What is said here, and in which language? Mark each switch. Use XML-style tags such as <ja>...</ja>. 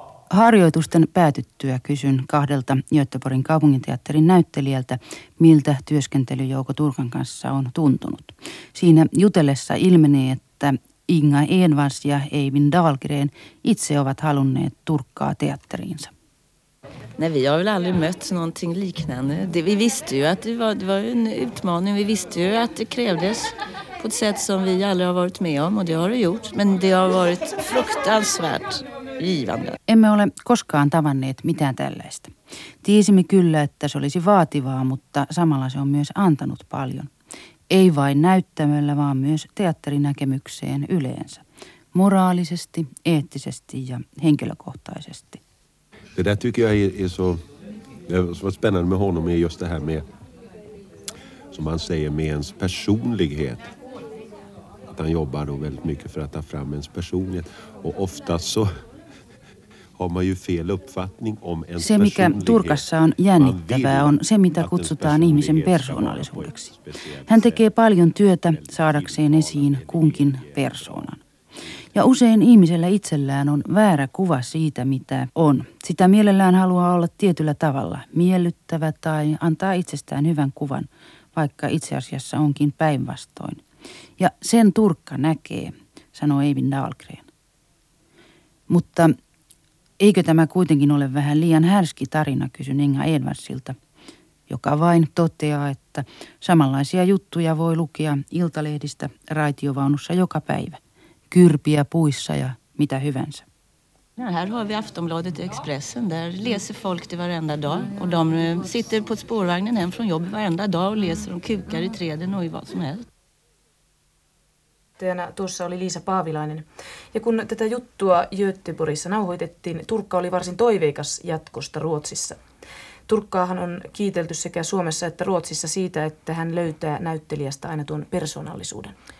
<fi>Harjoitusten päätyttyä kysyn kahdelta Göteborgin kaupunginteatterin näyttelijältä, miltä työskentely Jouko Turkan kanssa on tuntunut. Siinä jutellessa ilmeni, että Inga Envas ja Eivin Dahlgren itse ovat halunneet Turkkaa teatteriinsa.</fi> <sv>Nej, vi har väl aldrig mött någonting liknande. Det, vi visste ju att det var en utmaning. Vi visste ju att det krävdes på ett sätt som vi aldrig har varit med om. Och det har det gjort. Men det har varit fruktansvärt givande.</sv> <fi>Emme ole koskaan tavanneet mitään tällaista. Tiesimme kyllä, että se olisi vaativaa, mutta samalla se on myös antanut paljon. Ei vain näyttämöllä, vaan myös teatterinäkemykseen yleensä. Moraalisesti, eettisesti ja henkilökohtaisesti.</fi> <sv>Det där tycker jag är så, det var spännande med honom är just det här med, som han säger, med ens personlighet. Att han jobbar då väldigt mycket för att ta fram ens personlighet. Och ofta så har man ju fel uppfattning om ens</sv> <fi>se, mikä Turkassa on jännittävää, on se, mitä kutsutaan ihmisen persoonallisuudeksi. Hän tekee paljon työtä saadakseen esiin kunkin persoonan. Ja usein ihmisellä itsellään on väärä kuva siitä, mitä on. Sitä mielellään haluaa olla tietyllä tavalla miellyttävä tai antaa itsestään hyvän kuvan, vaikka itse asiassa onkin päinvastoin. Ja sen Turkka näkee, sanoo Eivin Dahlgren. Mutta eikö tämä kuitenkin ole vähän liian härski tarina, kysyn Inga Edvardsilta, joka vain toteaa, että samanlaisia juttuja voi lukea Iltalehdistä raitiovaunussa joka päivä. Kyrpiä puissa ja mitä hyvänsä.</fi> <sv>Ja, här har vi Aftonbladet och Expressen. Där läser folk det varenda dag. Och de sitter på spårvagnen hem från jobbet varenda dag och läser om kukar i träden och i vad som helst.</sv> <fi>Teena tuossa oli Liisa Paavilainen. Ja kun tätä juttua Göteborgissa nauhoitettiin, Turkka oli varsin toiveikas jatkosta Ruotsissa. Turkkaahan on kiitelty sekä Suomessa että Ruotsissa siitä, että hän löytää näyttelijästä aina tuon persoonallisuuden.</fi>